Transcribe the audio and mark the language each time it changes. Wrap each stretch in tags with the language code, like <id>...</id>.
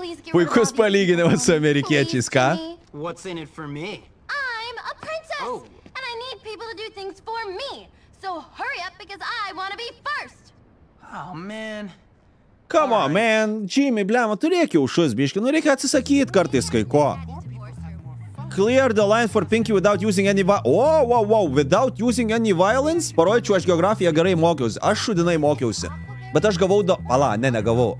<lt>Puikus palyginimas su amerikiečiais, ką?</lt> <en>What's in it for me? I'm a princess. And I need people to do things for me. So hurry up because I want to be first. Oh man. Come on, man.</en> <lt>Jimmy, blema, turėk jau šus, biškį. Nu, reikia atsisakyt kartais kai ko.</lt> <en>Clear the line for Pinky without using any without using any violence?</en> <lt>Parodžiu, aš geografiją gerai mokiausi. Aš šudinai mokiausi. Bet aš gavau negavau.</lt>